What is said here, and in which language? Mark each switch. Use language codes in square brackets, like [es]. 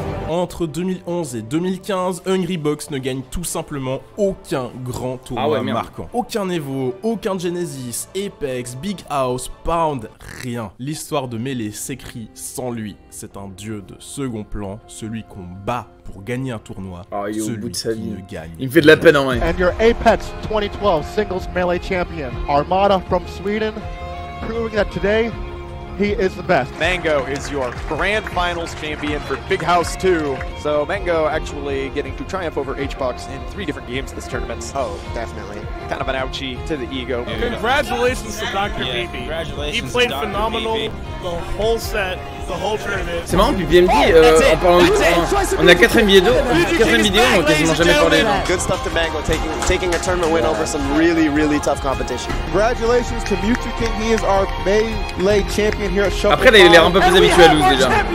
[fr] Oh. entre 2011 et 2015, Hungrybox ne gagne tout simplement aucun grand tournoi marquant. Aucun Evo, aucun Genesis, Apex, Big House, Pound, rien. L'histoire de Melee s'écrit sans lui. C'est un dieu de second plan, celui qu'on bat pour gagner un tournoi, celui qui ne gagne. Il me fait de la peine en vrai. [en] And your Apex 2012 singles Melee champion, Armada from Sweden, proving that today he is the best. Mango is your grand finals champion for Big House 2. So Mango actually getting to triumph over HBox in three different games this tournament. Oh, definitely. Kind of an ouchie to the ego. Yeah. Congratulations to Dr. Yeah. Beepy. Congratulations. He played phenomenal the whole set, the whole tournament. [fr] C'est marrant, puis BMD, en parlant de on a 4 vidéos, 4 vidéos, on a quasiment jamais parlé. [en] Good stuff to Mango, taking a tournament win over some really, really tough competition. Congratulations to Mewtwo King, he is our Melee champion. [fr] Après, il a l'air un peu plus habitué à Luz déjà.